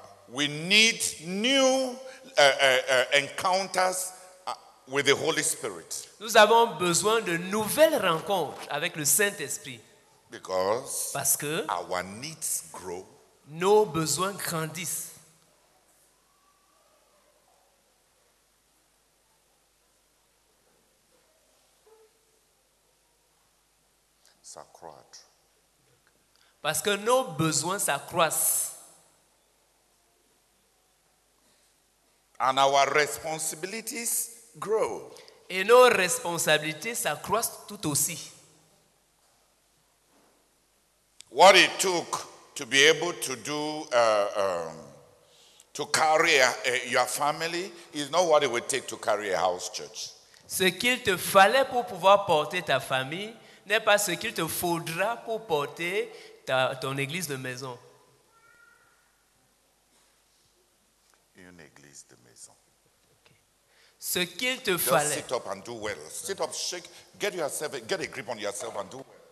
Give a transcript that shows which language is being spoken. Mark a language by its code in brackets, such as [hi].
[en] We need new encounters with the Holy Spirit. [fr] Nous avons besoin de nouvelles rencontres avec le Saint-Esprit. [en] Because [fr] parce que [en] our needs grow. [fr] Nos besoins grandissent. Ça croît. Parce que nos besoins s'accroissent. [en] And our responsibilities grow. [fr] Et nos responsabilités s'accroissent tout aussi. [en] What it took to be able to do, to carry your family is not what it would take to carry a house church. [fr] Ce qu'il te fallait pour pouvoir porter ta famille n'est pas ce qu'il te faudra pour porter ton église de maison. Une église de maison. Okay. Ce qu'il te [en] just [fr] fallait. [en] Sit up and do well. Sit up, shake, get a grip on yourself and do well.